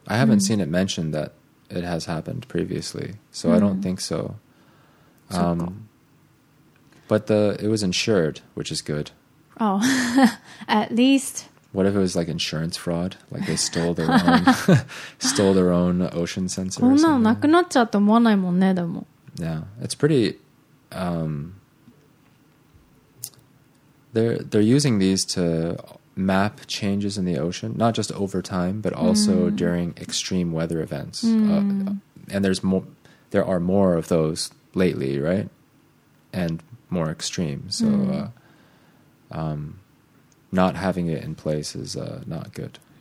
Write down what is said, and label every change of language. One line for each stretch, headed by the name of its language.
English: I haven't seen it mentioned that it has happened previously. So I don't think so. But it was insured, which is good. Oh, at least. What if it was like insurance fraud? Like they stole their own stole their own ocean sensor or something?
Japanese: こんなのなくなっちゃうと思わないもんね、でも。
English: Yeah, it's pretty... They're using these to map changes in the ocean, not just over time, but also during extreme weather events. And there are more of those lately, right? And more extreme, so not having it in place is not good.